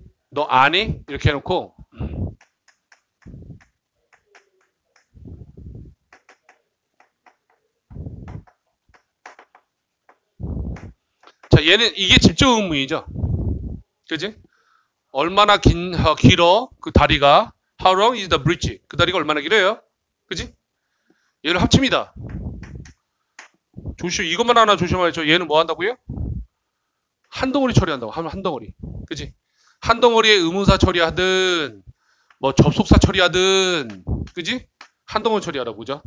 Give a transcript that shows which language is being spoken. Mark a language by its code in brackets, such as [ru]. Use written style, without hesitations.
[ko] 너 아니? 이렇게 해놓고 자 얘는 이게 직접 의문이죠. 그지? 얼마나 긴 길어? 그 다리가 [en] How long is the bridge? [ko] 그 다리가 얼마나 길어요? 그지? 얘를 합칩니다. 조심 이것만 하나 조심하죠. 얘는 뭐 한다고요? 한 덩어리 처리한다고. 한 덩어리. 그지? 한 덩어리에 의문사 처리하든 뭐 접속사 처리하든 그지? 한 덩어리 처리하라고 그죠?